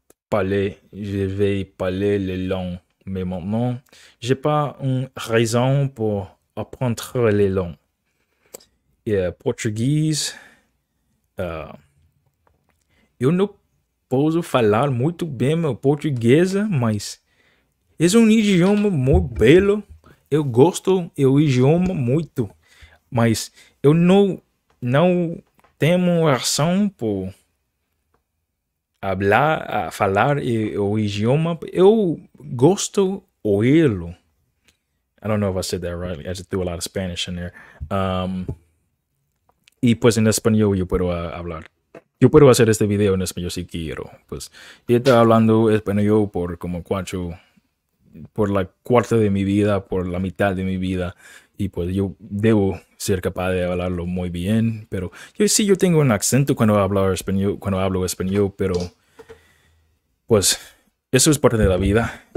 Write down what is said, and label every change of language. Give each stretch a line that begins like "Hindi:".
French: parler, je vais parler les langues, mais maintenant, j'ai pas une raison pour apprendre les langues. Et portugais,
Portuguese: eu não posso falar muito bem o português, mas é um idioma muito belo. Eu gosto do idioma muito, mas eu não tenho razão por hablar, falar o idioma. Eu gosto oílo.
English: I don't know if I said that right. I just threw a lot of Spanish in there.
Spanish: Y pues en español yo puedo hablar. Yo puedo hacer este video en español si quiero. Pues yo estaba hablando español por como cuatro, por la cuarta de mi vida, por la mitad de mi vida. Y pues yo debo ser capaz de hablarlo muy bien, pero yo sí, yo tengo un acento cuando hablo español, pero pues eso es parte de la vida.